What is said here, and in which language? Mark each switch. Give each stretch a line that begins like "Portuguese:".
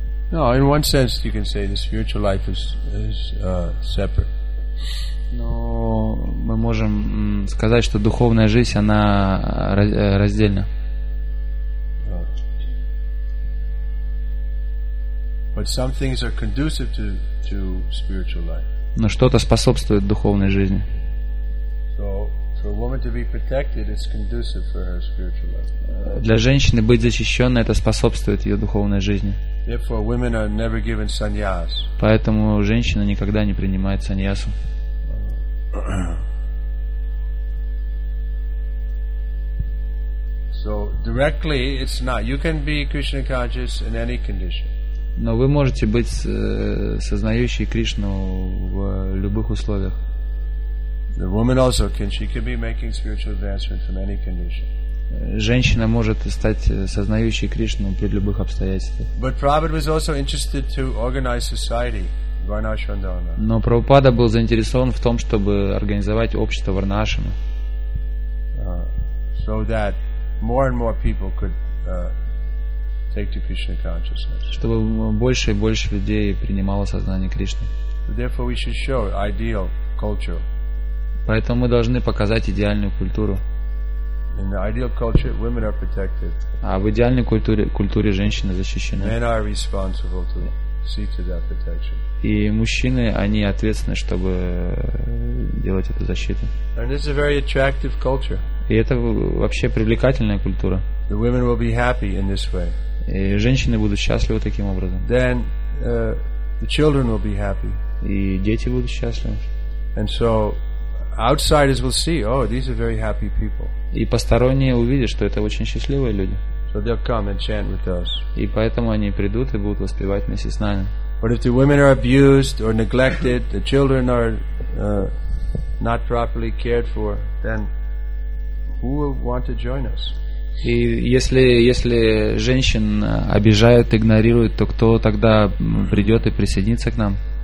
English: No, in one sense you can say the spiritual life is separate.
Russian: Но мы можем сказать, что духовная жизнь она раздельна.
English: But some things are conducive to spiritual life.
Russian: Но что-то способствует духовной жизни.
English: For a woman to be protected, it's conducive for her spiritual life.
Russian: Для женщины быть защищенной, это способствует ее духовной жизни.
English: Therefore, women are never given sannyas.
Russian: Поэтому женщина никогда не принимает саньясу.
English: So directly, it's not. You can be Krishna conscious in any condition.
Russian: Но вы можете быть сознающей Кришну в любых условиях.
English: The woman also can. She can be making spiritual advancement from any condition.
Russian: Женщина может стать сознающей Кришну при любых обстоятельствах.
English: But Prabhupada was also interested to organize society, Varnashrandana.
Russian: Но Прабхупада был заинтересован в том, чтобы организовать общество Варнашрама.
English: So that more and more people could take to Krishna consciousness.
Russian: Чтобы больше и больше людей принимало сознание Кришны.
English: Therefore, we should show ideal culture.
Russian: Поэтому мы должны показать идеальную культуру.
English: In the ideal culture, women are protected.
Russian: А в идеальной культуре женщины защищены.
English: Men are responsible to see to that protection.
Russian: И мужчины, они ответственны, чтобы делать эту защиту.
English: And this is a very attractive culture.
Russian: И это вообще привлекательная культура.
English: The women will be happy in this way.
Russian: И женщины будут счастливы таким образом.
English: Then, the children will be happy.
Russian: И дети будут счастливы.
English: And so, outsiders will see, oh, these are very happy people.
Russian: И посторонние увидят, что это очень счастливые люди.
English: So they'll come and chant with us.
Russian: И поэтому они придут и будут воспевать вместе с нами.
English: But if the women are abused or neglected, the children are not properly cared for, then who will want to join us?
Russian: И если женщин обижают, игнорируют, то кто тогда придет и присоединится к нам?